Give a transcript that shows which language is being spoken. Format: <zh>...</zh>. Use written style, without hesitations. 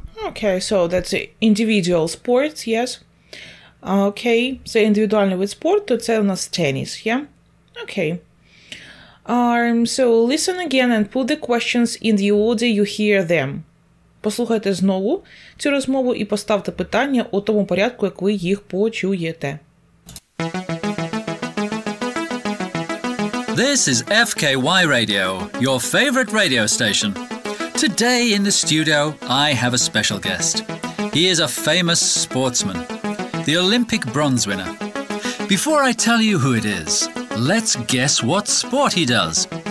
<en>Okay, so that's individual sports, yes? Okay, so</en> <uk>індивідуальний вид спорту, це у нас теніс,</uk> <en>yeah? Okay. So listen again and put the questions in the order you hear them.</en> <uk>Послухайте знову цю розмову і поставте питання у тому порядку, як ви їх почуєте.</uk> <en>This is FKY Radio, your favorite radio station. Today in the studio, I have a special guest. He is a famous sportsman, the Olympic bronze winner. Before I tell you who it is, let's guess what sport he does.</en>